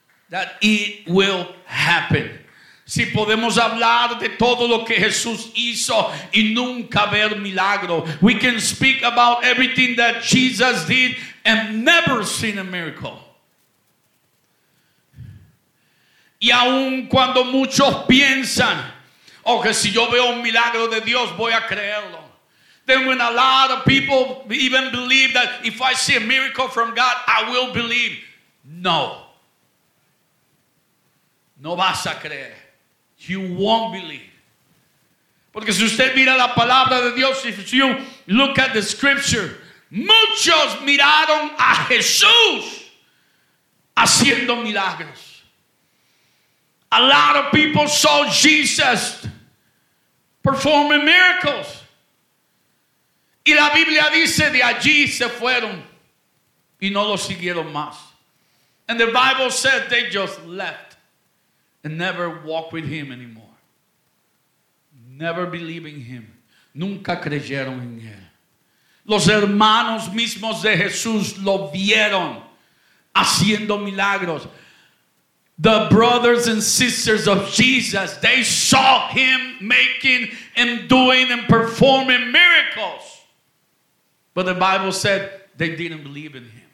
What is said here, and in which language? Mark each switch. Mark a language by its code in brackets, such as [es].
[en] That it will happen. [es] Si podemos hablar de todo lo que Jesús hizo y nunca ver milagro, [en] we can speak about everything that Jesus did and never seen a miracle. [es] Y aun cuando muchos piensan, oh, que si yo veo un milagro de Dios, voy a creerlo. [en] Then when a lot of people even believe that if I see a miracle from God, I will believe. [es] No. No vas a creer. [en] You won't believe. [es] Porque si usted mira la palabra de Dios, [en] if you look at the scripture, [es] muchos miraron a Jesús haciendo milagros. [en] A lot of people saw Jesus performing miracles. [es] Y la Biblia dice de allí se fueron y no lo siguieron más. [en] And the Bible said they just left and never walked with him anymore. Never believing him. [es] Nunca creyeron en él. Los hermanos mismos de Jesús lo vieron haciendo milagros. [en] The brothers and sisters of Jesus, they saw him making and doing and performing miracles. But the Bible said they didn't believe in him.